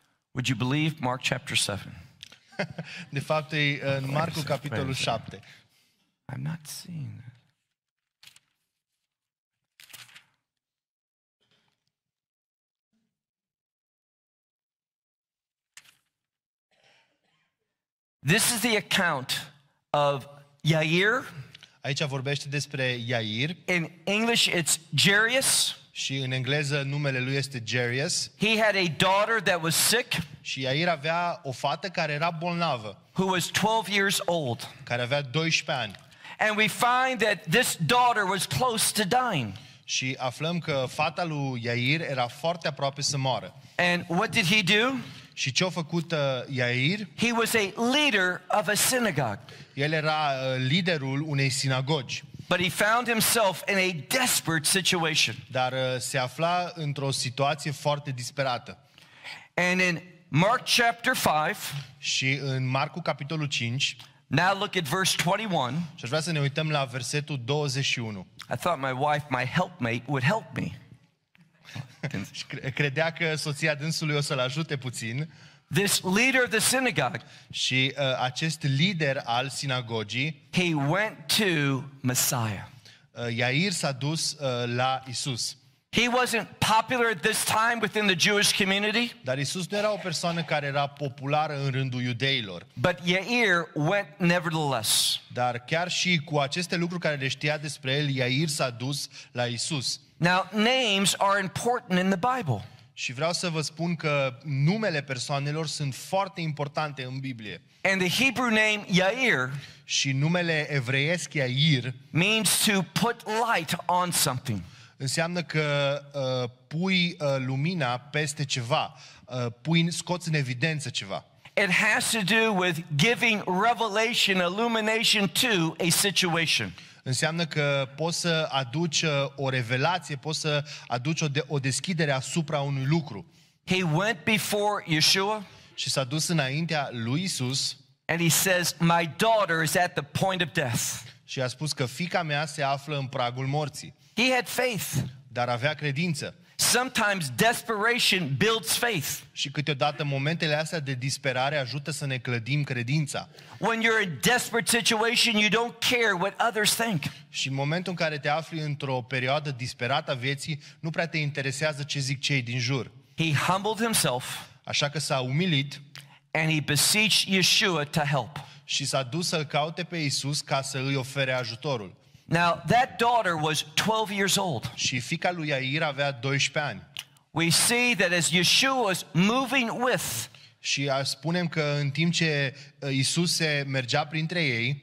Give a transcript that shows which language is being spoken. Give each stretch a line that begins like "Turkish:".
English: Would you believe Mark chapter 7?
Romanian: De fapt, e în Marcu capitolul 7.
English: I'm not seeing. This is the account of Yair.
Romanian: Aici vorbește despre Yair.
English: In English it's Jairus.
Romanian: Și în engleză numele lui este Jairus.
English: He had a daughter that was sick.
Romanian: Și Yair avea o fată care era bolnavă.
English: Who was 12 years old.
Romanian: Care avea 12 ani.
English: And we find that this daughter was close to dying.
Romanian: Și aflăm că fata lui Yair era foarte aproape să moară.
English: And what did he do?
Romanian: Și ce a făcut Yair?
English: He was a leader of a synagogue.
Romanian: El era liderul unei sinagogi.
English: But he found himself in a desperate situation.
Romanian: Dar se afla într-o situație foarte disperată.
English: And in Mark chapter 5.
Romanian: Și în Marcu capitolul 5.
English: Now look at verse 21.
Romanian: Și-aș vrea să ne uităm la versetul 21.
English: I thought my wife, my helpmate, would help me.
Romanian: Credea că soția dânsului o să-l ajute puțin.
English: This leader of the synagogue.
Romanian: Și acest lider al sinagogii.
English: He went to Messiah.
Romanian: Yair s-a dus la Isus.
English: He wasn't popular at this time within the Jewish community.
Romanian: Dar Isus nu era o persoană care era populară în rândul iudeilor.
English: But Yair went nevertheless.
Romanian: Dar chiar și cu aceste lucruri care le știa despre el, Yair s-a dus la Isus.
English: Now names are important in the Bible.
Romanian: Și vreau să vă spun că numele persoanelor sunt foarte importante în Biblie.
English: And the Hebrew name Yair.
Romanian: Și numele evreiesc Yair
English: means to put light on something.
Romanian: Înseamnă că pui lumina peste ceva, pui scoți în evidență ceva.
English: It has to do with giving revelation, illumination to a situation.
Romanian: Înseamnă că poți să aduci o revelație, poți să aduci o deschidere asupra unui lucru.
English: He went before Yeshua.
Romanian: Și s-a dus înaintea lui Isus.
English: And he says, my daughter is at the point of death.
Romanian: Și a spus că fiica mea se află în pragul morții.
English: He had faith.
Romanian: Dar avea credință.
English: Sometimes desperation builds faith.
Romanian: Și câteodată momentele astea de disperare ajută să ne clădim credința.
English: When you're in a desperate situation, you don't care what others think.
Romanian: Și în momentul în care te afli într-o perioadă disperată a vieții, nu prea te interesează ce zic cei din jur.
English: He humbled himself.
Romanian: Așa că s-a umilit.
English: And he beseeched Yeshua to help.
Romanian: Și s-a dus să-l caute pe Iisus ca să îi ofere ajutorul.
English: Now that daughter was 12 years old.
Romanian: Și fiica lui Yair avea 12 ani.
English: We see that as Yeshua was moving with.
Romanian: Și spunem că în timp ce Iisus se mergea printre ei.